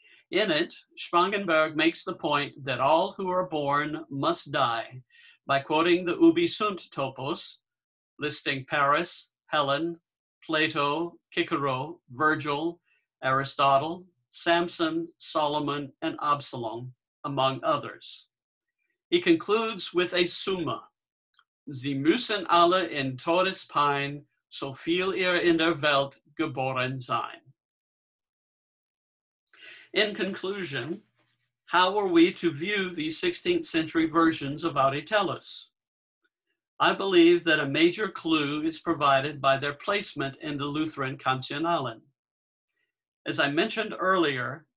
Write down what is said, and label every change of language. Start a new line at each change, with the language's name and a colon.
English: In it, Spangenberg makes the point that all who are born must die by quoting the Ubi sunt topos, listing Paris, Helen, Plato, Cicero, Virgil, Aristotle, Samson, Solomon, and Absalom, among others. He concludes with a summa,
German: Sie müssen alle in Todespein, so viel ihr in der Welt geboren sein.
English: In conclusion, how are we to view these 16th century versions of Audi tellus? I believe that a major clue is provided by their placement in the Lutheran Kanzionalen. As I mentioned earlier,